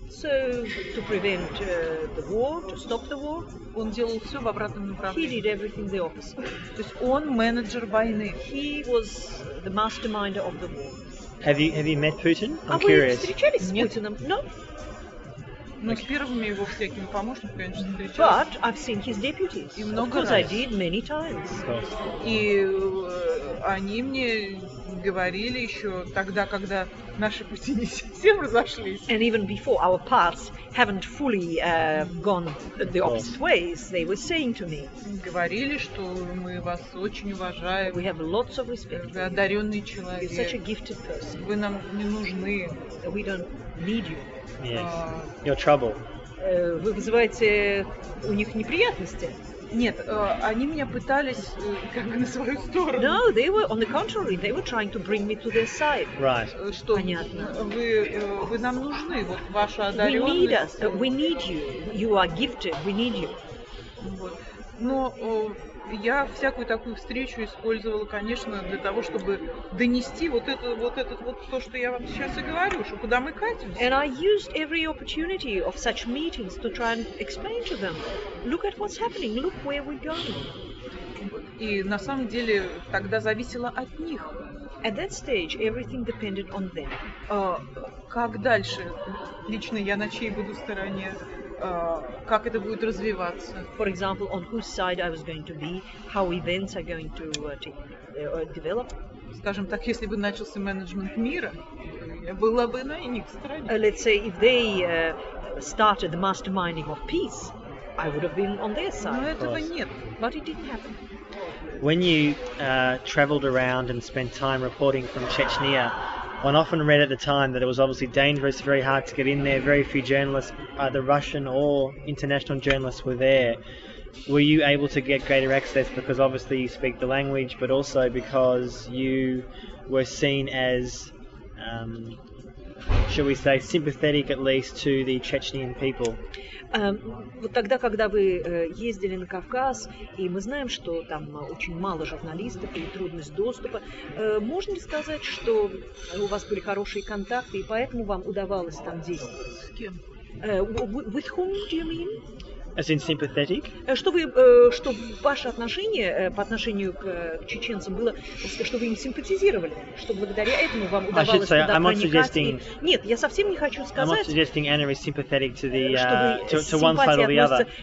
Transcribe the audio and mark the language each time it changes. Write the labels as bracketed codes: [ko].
[en] So to prevent the war, to stop the war. [ru] Он делал все в обратном направлении. [en] He did everything the opposite. [ru] То есть он менеджер войны. [en] He was the mastermind of the war. Have you met Putin? I'm [ru] А вы встречались с Путиным? [en] No. [ru] Ну, с первыми его всякими помощниками, конечно, встречался. [en] But I've seen his deputies. [ru] И много [en] of course [ru] раз. [en] I did many times. [ru] И они мне говорили еще тогда, когда наши пути не совсем разошлись. [en] And even before our paths haven't fully gone the opposite ways, they were saying to me. [ru] Говорили, что мы вас очень уважаем. [en] We have lots of respect. [ru] Вы одаренный человек. [en] You're such a gifted person. [ru] Вы нам не нужны. [en] We don't need you. Yes. Your trouble. [ru] Вы вызываете у них неприятности? Нет, они меня пытались как бы на свою сторону. [en] No, they were on the contrary, they were trying to bring me to their side. Right. [ru] Что? Понятно. Вы нам нужны, вот ваша одаренность. [en] We need us. We need you. You are gifted. We need you. [ru] Но я всякую такую встречу использовала, конечно, для того, чтобы донести вот это то, что я вам сейчас и говорю, что куда мы катимся. [en] And I used every opportunity of such meetings to try and explain to them, look at what's happening, look where we're going. [ru] И на самом деле тогда зависело от них. [en] At that stage, everything depended on them. [ru] Как дальше? Лично я на чьей буду стороне? Как это будет развиваться? [en] For example, on whose side I was going to be, how events are going to develop. [ru] Скажем так, если бы начался менеджмент мира, я была бы на их стороне. [en] Let's say if they started the masterminding of peace, I would have been on their side. [ru] Но этого нет. [en] But it didn't happen. When you traveled around and spent time reporting from Chechnya, one often read at the time that it was obviously dangerous, very hard to get in there, very few journalists, either Russian or international journalists, were there. Were you able to get greater access because obviously you speak the language, but also because you were seen as, shall we say, sympathetic at least to the Chechenian people? [ru] Вот тогда, когда вы ездили на Кавказ, и мы знаем, что там очень мало журналистов и трудность доступа, можно ли сказать, что у вас были хорошие контакты, и поэтому вам удавалось там действовать? С кем? [en] With whom do you mean? As in sympathetic? [ru] Чтобы, что ваше отношение по отношению к чеченцам было, что вы им симпатизировали, что благодаря этому вам удавалось туда проникать. Нет, я совсем не хочу сказать, [en] I'm not suggesting Anna is sympathetic to the, to one side or the other.